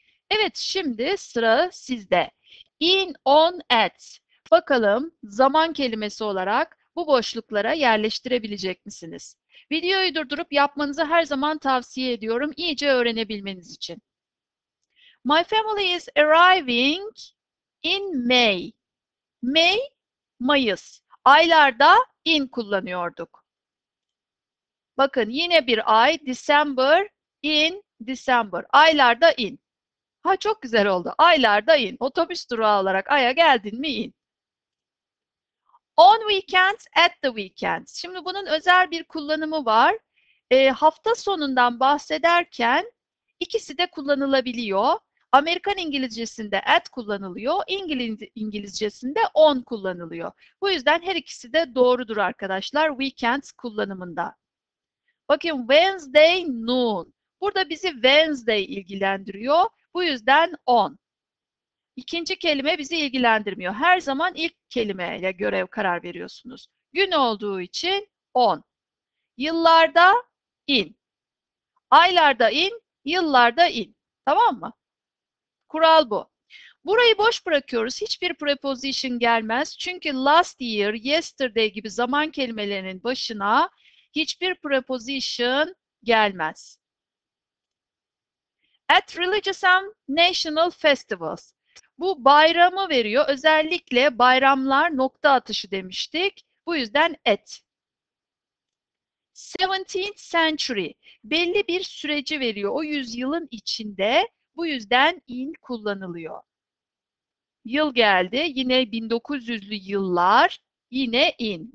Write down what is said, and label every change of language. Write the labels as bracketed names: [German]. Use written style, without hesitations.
[Turkish] Evet, şimdi sıra sizde. In, on, at. Bakalım zaman kelimesi olarak bu boşluklara yerleştirebilecek misiniz? Videoyu durdurup yapmanızı her zaman tavsiye ediyorum, iyice öğrenebilmeniz için. [English] My family is arriving in May. May, Mayıs. [Turkish] Aylarda in kullanıyorduk. Bakın yine bir ay, [English] December in December. [Turkish] Aylarda in. Ha çok güzel oldu. Aylarda in. Otobüs durağı olarak aya geldin mi in. [English] On weekend, at the weekend. [Turkish] Şimdi bunun özel bir kullanımı var. Hafta sonundan bahsederken ikisi de kullanılabiliyor. Amerikan İngilizcesinde at kullanılıyor, İngilizcesinde on kullanılıyor. Bu yüzden her ikisi de doğrudur arkadaşlar weekend kullanımında. Bakın Wednesday noon. Burada bizi Wednesday ilgilendiriyor. Bu yüzden on. İkinci kelime bizi ilgilendirmiyor. Her zaman ilk kelimeyle görev karar veriyorsunuz. Gün olduğu için on. Yıllarda in. Aylarda in, yıllarda in. Tamam mı? Kural bu. Burayı boş bırakıyoruz. Hiçbir preposition gelmez. Çünkü last year, yesterday gibi zaman kelimelerinin başına hiçbir preposition gelmez. [English] At religious and national festivals. [Turkish] Bu bayramı veriyor. Özellikle bayramlar nokta atışı demiştik. Bu yüzden at. 17th century. Belli bir süreci veriyor. O yüzyılın içinde. Bu yüzden in kullanılıyor. Yıl geldi. Yine 1900'lü yıllar. Yine in.